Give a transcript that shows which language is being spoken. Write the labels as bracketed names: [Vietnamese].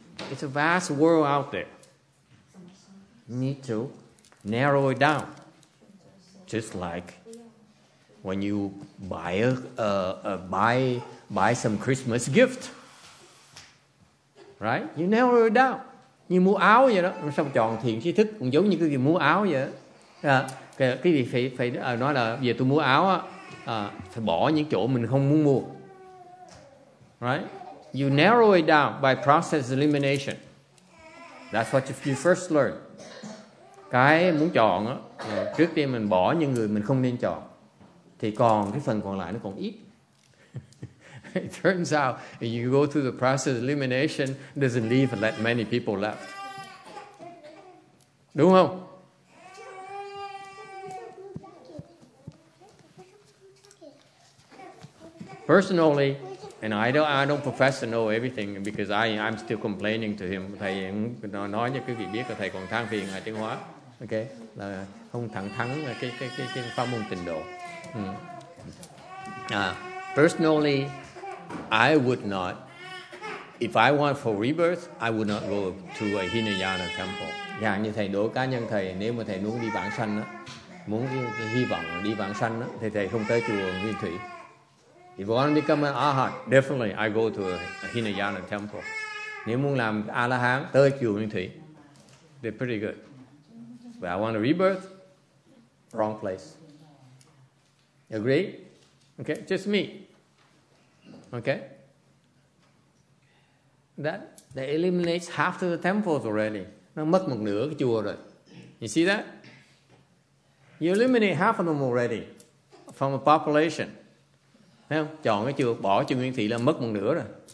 [English] It's a vast world out there. You need to narrow it down. Just like when you buy some Christmas gift. Right? You narrow it down. [Vietnamese] Như mua áo vậy đó, làm sao mà chọn thiện tri thức cũng giống như cái gì mua áo vậy đó. Cái gì phải nói là giờ tôi mua áo á, phải bỏ những chỗ mình không muốn mua. [English] Right? You narrow it down by process elimination. That's what you first learn. [Vietnamese] Cái muốn chọn á, trước tiên mình bỏ những người mình không nên chọn. Thì còn cái phần còn lại nó còn ít. [English] It turns out if you go through the process of elimination, it doesn't leave that many people left. [Vietnamese] Đúng không? [English] Personally, and I don't profess to know everything because I'm still complaining to him. [Vietnamese] Thầy nói cho quý vị biết là thầy còn than phiền ở Tiếng Hóa. Okay, là không thẳng thắn cái pháp môn tịnh độ. [English] Personally, I would not, if I want for rebirth, I would not go to a Hinayana temple. [Vietnamese] Dạ, như thầy đối cá nhân thầy, nếu mà thầy muốn đi vãng sanh á, muốn cái hy vọng đi vãng sanh á, thì thầy không tới chùa Nguyên Thủy. [English] If you want to become an Arhat, definitely I go to a Hinayana temple. [Vietnamese] Nếu muốn làm A-la-hán, tới chùa Nguyên Thủy. [English] They're pretty good. But I want a rebirth, wrong place. Agree? Okay, just me. Okay. That eliminates half of the temples already. [Vietnamese] Nó mất một nửa cái chùa rồi. [English] You see that? You eliminate half of them already from a population. [Vietnamese] Thấy không? Chọn cái chùa, bỏ chùa Nguyên Thủy là mất một nửa rồi.